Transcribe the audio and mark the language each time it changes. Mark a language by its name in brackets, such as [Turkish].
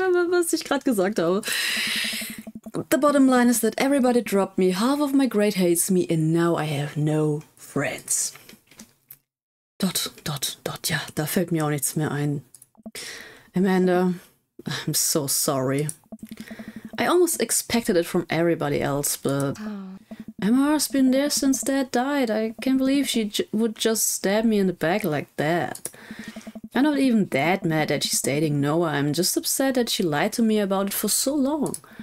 [German] was ich gerade gesagt habe. [English] The bottom line is that everybody dropped me, half of my grade hates me, and now I have no friends. [German] Dot, ja, da fällt mir auch nichts mehr ein. [English] Amanda, I'm so sorry. I almost expected it from everybody else, but MR's been there since Dad died. I can't believe she would just stab me in the back like that. I'm not even that mad that she's dating Noah. I'm just upset that she lied to me about it for so long.